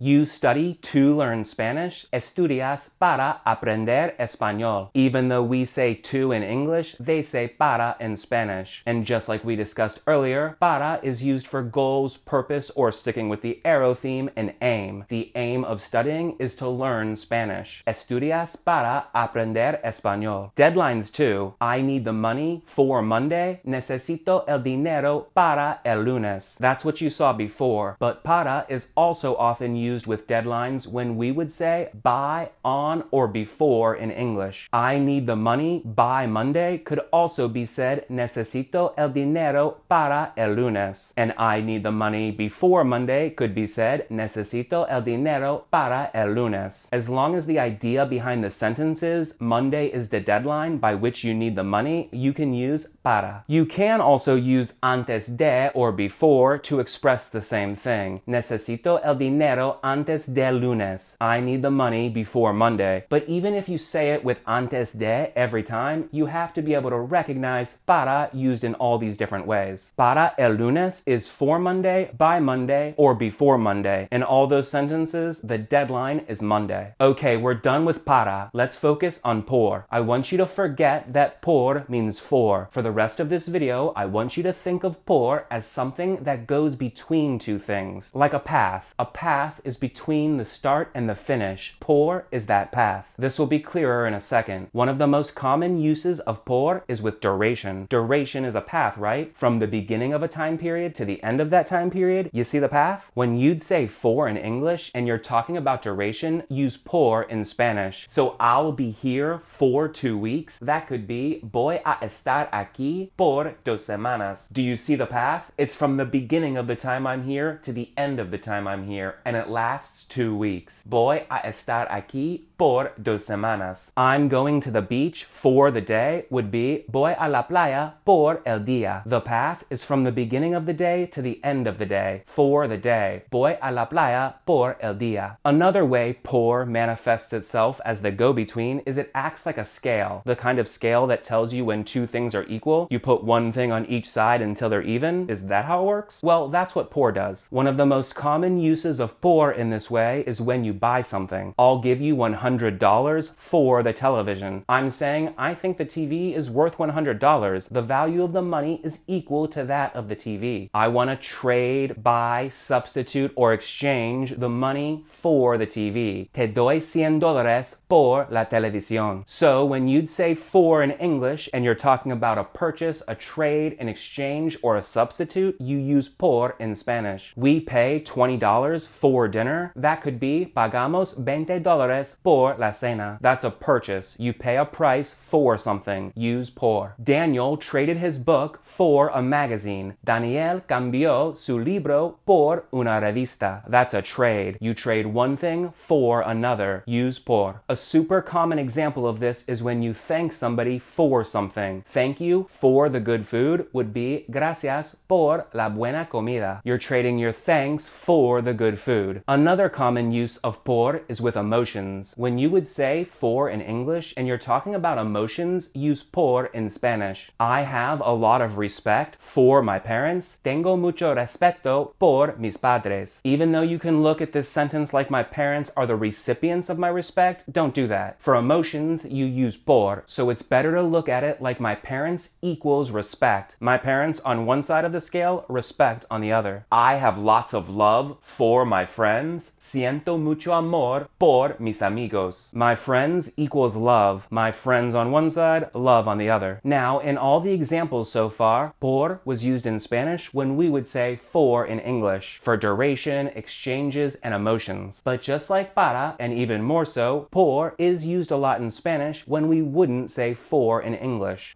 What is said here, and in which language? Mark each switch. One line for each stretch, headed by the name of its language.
English: You study to learn Spanish,
Spanish: estudias para aprender español.
English: Even though we say to in English, they say para in Spanish. And just like we discussed earlier, para is used for goals, purpose, or sticking with the arrow theme and aim. The aim of studying is to learn Spanish.
Spanish: Estudias para aprender español.
English: Deadlines too. I need the money for Monday.
Spanish: Necesito el dinero para el lunes.
English: That's what you saw before. But para is also often used with deadlines when we would say by, on, or before in English. I need the money by Monday could also be said
Spanish: necesito el dinero para el lunes.
English: And I need the money before Monday could be said
Spanish: necesito el dinero para el lunes.
English: As long as the idea behind the sentence is Monday is the deadline by which you need the money, you can use para. You can also use antes de or before to express the same thing.
Spanish: Necesito el dinero antes de lunes.
English: I need the money before Monday. But even if you say it with antes de every time, you have to be able to recognize para used in all these different ways. Para el lunes is for Monday, by Monday, or before Monday. In all those sentences, the deadline is Monday. Okay, we're done with para. Let's focus on por. I want you to forget that por means for. For the rest of this video, I want you to think of por as something that goes between two things, like a path. A path is between the start and the finish. Por is that path. This will be clearer in a second. One of the most common uses of por is with duration. Duration is a path, right? From the beginning of a time period to the end of that time period, you see the path? When you'd say for in English and you're talking about duration, use por in Spanish. So I'll be here for 2 weeks.
Spanish: That could be voy a estar aquí por dos semanas.
English: Do you see the path? It's from the beginning of the time I'm here to the end of the time I'm here, and it lasts 2 weeks.
Spanish: Voy a estar aquí por dos semanas.
English: I'm going to the beach for the day would be
Spanish: voy a la playa por el día.
English: The path is from the beginning of the day to the end of the day, for the day.
Spanish: Voy a la playa por el día.
English: Another way por manifests itself as the go-between is it acts like a scale, the kind of scale that tells you when two things are equal. You put one thing on each side until they're even. Is that how it works? Well, that's what por does. One of the most common uses of por in this way is when you buy something. I'll give you $100 for the television. I'm saying I think the TV is worth $100. The value of the money is equal to that of the TV. I want to trade, buy, substitute, or exchange the money for the TV.
Spanish: Te doy $100 por la televisión.
English: So when you'd say for in English and you're talking about a purchase, a trade, an exchange, or a substitute, you use por in Spanish. We pay $20 for dinner. That could be
Spanish: pagamos $20 por la cena.
English: That's a purchase. You pay a price for something. Use por. Daniel traded his book for a magazine.
Spanish: Daniel cambió su libro por una revista.
English: That's a trade. You trade one thing for another. Use por. A super common example of this is when you thank somebody for something. Thank you for the good food would be
Spanish: gracias por la buena comida.
English: You're trading your thanks for the good food. Another common use of por is with emotions. When you would say for in English and you're talking about emotions, use por in Spanish. I have a lot of respect for my parents.
Spanish: Tengo mucho respeto por mis padres.
English: Even though you can look at this sentence like my parents are the recipients of my respect, don't do that. For emotions, you use por. So it's better to look at it like my parents equals respect. My parents on one side of the scale, respect on the other. I have lots of love for my friends.
Spanish: Siento mucho amor por mis amigos.
English: My friends equals love. My friends on one side, love on the other. Now, in all the examples so far, por was used in Spanish when we would say for in English, for duration, exchanges, and emotions. But just like para, and even more so, por is used a lot in Spanish when we wouldn't say for in English.